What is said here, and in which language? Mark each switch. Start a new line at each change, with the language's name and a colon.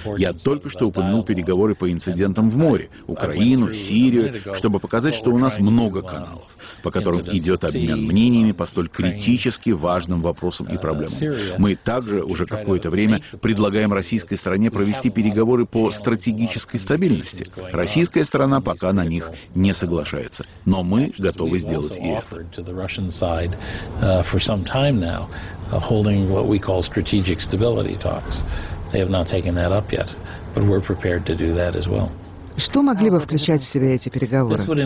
Russian: Я только что упомянул переговоры по инцидентам в море, Украину, Сирию, чтобы показать, что у нас много каналов, по которым идет обмен мнениями по столь критически важным вопросам и проблемам. Мы также уже какое-то время предлагаем российской стороне провести переговоры по стратегической стабильности. Российская сторона пока на них не соглашается. Но мы готовы сделать и это.
English: To the Russian side for some time now, holding what we call strategic stability talks. They have not taken that up yet, but we're prepared to do that as well.
Russian: Что могли бы включать в себя эти переговоры?